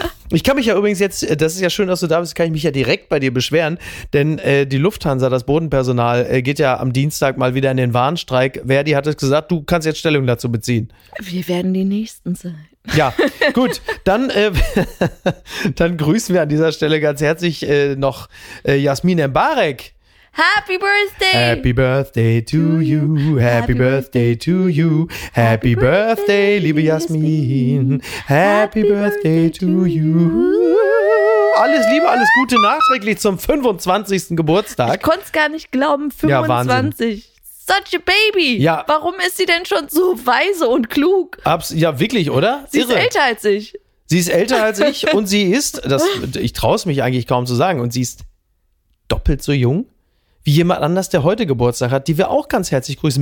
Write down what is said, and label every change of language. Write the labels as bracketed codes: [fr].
[de] Ich kann mich ja übrigens jetzt, das ist ja schön, dass du da bist, kann ich mich ja direkt bei dir beschweren, denn die Lufthansa, das Bodenpersonal, geht ja am Dienstag mal wieder in den Warnstreik. Verdi hat es gesagt, du kannst jetzt Stellung dazu beziehen. Wir werden die Nächsten sein. Ja, gut, dann, dann grüßen wir an dieser Stelle ganz herzlich noch Jasmin Mbarek. [en] Happy Birthday! Happy Birthday to you, happy birthday to you, happy birthday, [de] liebe Jasmin, [en] happy birthday to you. [de] Alles Liebe, alles Gute nachträglich zum 25. Geburtstag. Ich konnte es gar nicht glauben, 25. Ja, [en] such a baby. [de] Ja. Warum ist sie denn schon so weise und klug? Ja, wirklich, oder? Sie ist älter als ich. Sie ist älter als ich und sie ist, ich traue es mich eigentlich kaum zu sagen, und sie ist doppelt so jung wie jemand anders, der heute Geburtstag hat, die wir auch ganz herzlich grüßen.